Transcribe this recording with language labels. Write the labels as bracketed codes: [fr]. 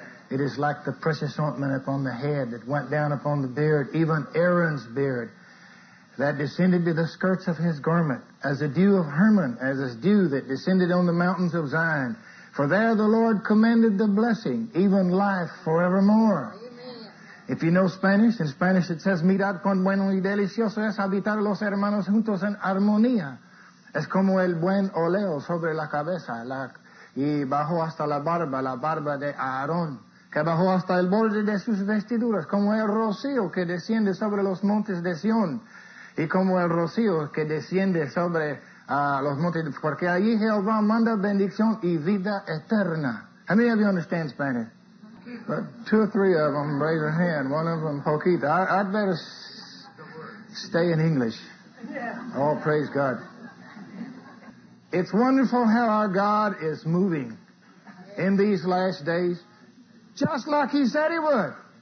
[en] It is like the precious ointment upon the head that went down upon the beard, even Aaron's beard, that descended to the skirts of his garment, as the dew of Hermon, as the dew that descended on the mountains of Zion. For there the Lord commanded the blessing, even life forevermore." If you know Spanish, in Spanish it says, [es] "Mirad cuán bueno y delicioso es habitar los hermanos juntos en armonía. Es como el buen oleo sobre la cabeza y bajó hasta la barba de Aarón, que bajó hasta el borde de sus vestiduras, como el rocío que desciende sobre los montes de Sion y como el rocío que desciende sobre los montes, porque allí Jehová manda bendición y vida eterna." [en] How many of you understand Spanish? But two or three of them raise their hand. One of them, poquito. I'd better stay in English. Yeah. Oh, praise God. It's wonderful how our God is moving in these last days, just like He said He would.